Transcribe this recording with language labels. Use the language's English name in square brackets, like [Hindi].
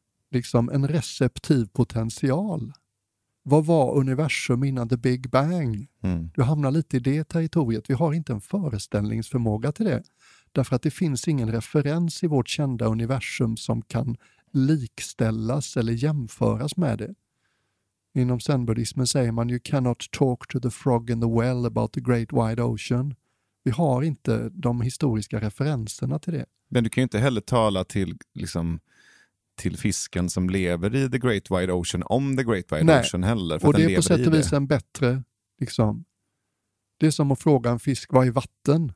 [Swedish] Liksom en receptiv potential. Vad var universum innan The Big Bang? Mm. Du hamnar lite i det territoriet. Vi har inte en föreställningsförmåga till det. Därför att det finns ingen referens i vårt kända universum som kan likställas eller jämföras med det. Inom zenbuddhismen säger man, [English] you cannot talk to the frog in the well about the great wide ocean. [Swedish] Vi har inte de historiska referenserna till det. Men du kan ju inte heller tala till, liksom, till fisken som lever i The Great Wide Ocean om The Great Wide Nej. Ocean heller. För och det är på sätt och vis en bättre, liksom. Det är som att fråga en fisk, vad är vatten?